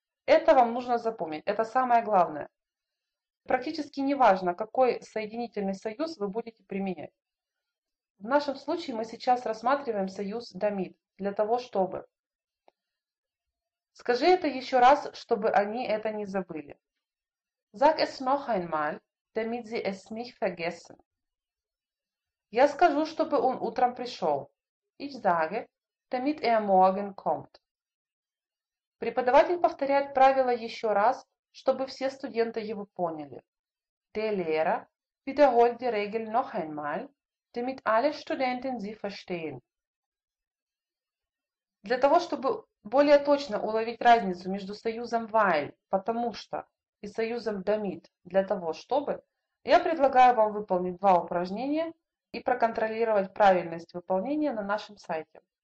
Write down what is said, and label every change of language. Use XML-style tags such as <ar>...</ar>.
<ru>Это вам нужно запомнить. Это самое главное. Практически не важно, какой соединительный союз вы будете применять. В нашем случае мы сейчас рассматриваем союз damit, для того, чтобы. Скажи это еще раз, чтобы они это не забыли.</ru> <de>Sag es noch einmal, damit sie es nicht vergessen.</de> <ru>Я скажу, чтобы он утром пришел.</ru> <de>Ich sage, damit er morgen kommt.</de> <ru>Преподаватель повторяет правила еще раз, чтобы все студенты его поняли.</ru> <de>Der Lehrer wiederholt die Regel noch einmal, damit alle Studenten sie verstehen.</de> <ru>Для того, чтобы более точно уловить разницу между союзом weil, потому что, и союзом damit, для того, чтобы, я предлагаю вам выполнить 2 упражнения и проконтролировать правильность выполнения на нашем сайте.</ru>